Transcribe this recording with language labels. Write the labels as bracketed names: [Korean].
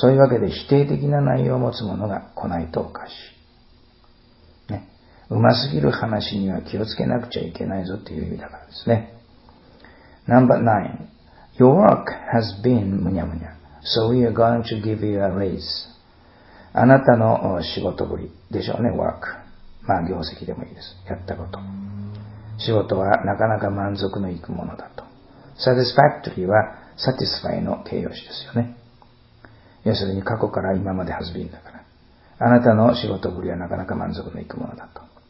[Japanese] そういうわけで否定的な内容を持つものが来ないとおかしい、ね、うますぎる話には気をつけなくちゃいけないぞという意味だからですね。 [English] Number 9、Your work has been [Japanese] むにゃむにゃ、 [English] so we are going to give you a raise。 [Japanese] あなたの仕事ぶりでしょうね、 work、 まあ業績でもいいです、やったこと。仕事はなかなか満足のいくものだと。 satisfactory は satisfy の形容詞ですよね。要するに過去から今まで [English] has been [Japanese] だから、あなたの仕事ぶりはなかなか満足のいくものだと。